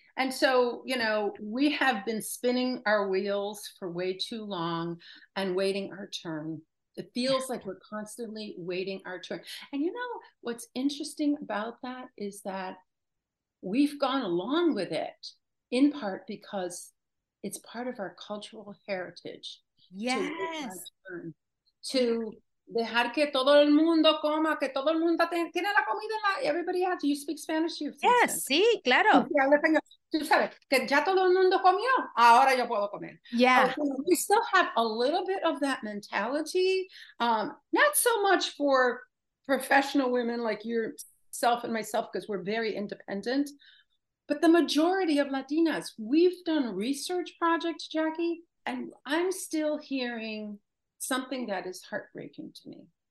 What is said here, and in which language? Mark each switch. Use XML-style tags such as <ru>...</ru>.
<en>And so, you know, we have been spinning our wheels for way too long and waiting our turn. It feels like we're constantly waiting our turn. And you know, what's interesting about that is that we've gone along with it in part because it's part of our cultural heritage. Yes.</en> <es>To dejar que todo el mundo coma, que todo el mundo tiene la comida.</es> <en>Everybody has. Do you speak Spanish? Yes, yeah,</en> <es>sí, claro. Tú sabes que ya todo el mundo comió, ahora yo puedo comer.</es> <en>Yeah. We still have a little bit of that mentality. Not so much for professional women like yourself and myself, because we're very independent. But the majority of Latinas, we've done research projects, Jackie, and I'm still hearing something that is heartbreaking to me.</en>